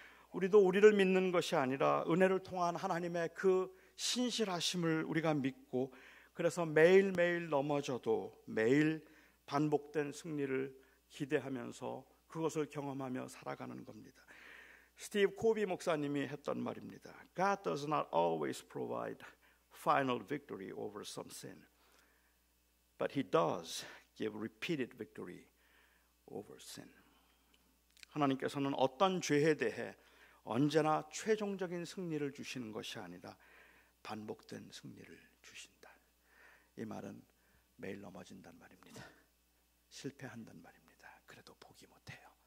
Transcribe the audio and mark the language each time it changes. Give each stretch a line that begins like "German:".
Korean: 우리도 우리를 믿는 것이 아니라 은혜를 통한 하나님의 그 신실하심을 우리가 믿고, 그래서 매일매일 넘어져도 매일 반복된 승리를 기대하면서 그것을 경험하며 살아가는 겁니다. 스티브 코비 목사님이 했던 말입니다.
English: God does not always provide final victory over some sin, but he does give repeated victory over sin.
Korean: 하나님께서는 어떤 죄에 대해 언제나 최종적인 승리를 주시는 것이 아니라 반복된 승리를 주신다. 이 말은 매일 넘어진단 말입니다. 실패한단 말입니다. 그래도 포기 못해요.